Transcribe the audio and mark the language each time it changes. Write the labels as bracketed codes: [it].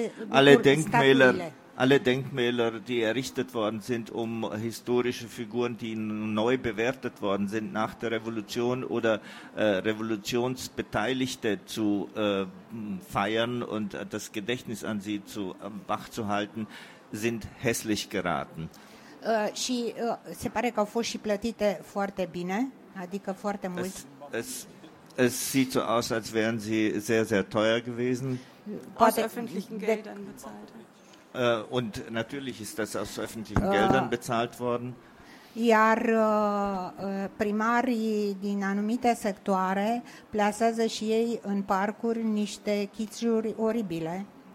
[de] Alle Denkmäler, die errichtet worden sind, um historische Figuren, die neu bewertet worden sind nach der Revolution oder Revolutionsbeteiligte zu feiern und das Gedächtnis an sie zu wach zu halten, sind hässlich geraten. [ro] Și se pare că au fost și plătite foarte bine, adică foarte mult. [de] Es sieht so aus, als wären sie sehr, sehr teuer gewesen. Aus öffentlichen Geldern bezahlt. Und natürlich ist das aus öffentlichen Geldern bezahlt worden. [ro] Iar primarii din anumite sectoare plasează și ei în parcuri niște chitiuri oribile.